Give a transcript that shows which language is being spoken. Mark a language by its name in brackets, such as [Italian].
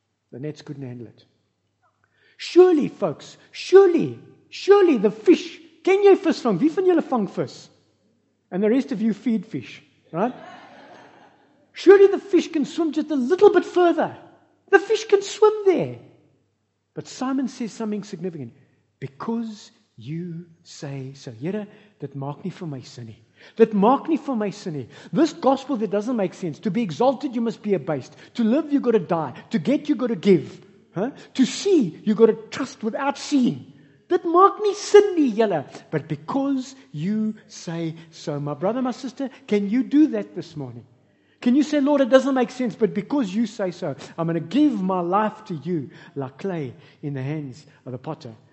[English] The nets couldn't handle it. Surely, folks, surely the fish, can you fish from? [Afrikaans] Wie van julle vang vis? [English] And the rest of you feed fish, right? Surely the fish can swim just a little bit further. The fish can swim there. But Simon says something significant. Because you say so. [Afrikaans] Here, dit maak nie vir my sin nie. Dit maak nie vir my sin nie. [English] This gospel that doesn't make sense. To be exalted, you must be abased. To live, you got to die. To get, you got to give. Huh? To see, you got to trust without seeing. [Afrikaans] Dit maak nie sin nie, julle. [English] But because you say so. My brother, my sister, can you do that this morning? Can you say, Lord, it doesn't make sense, but because you say so, I'm going to give my life to you like clay in the hands of the potter.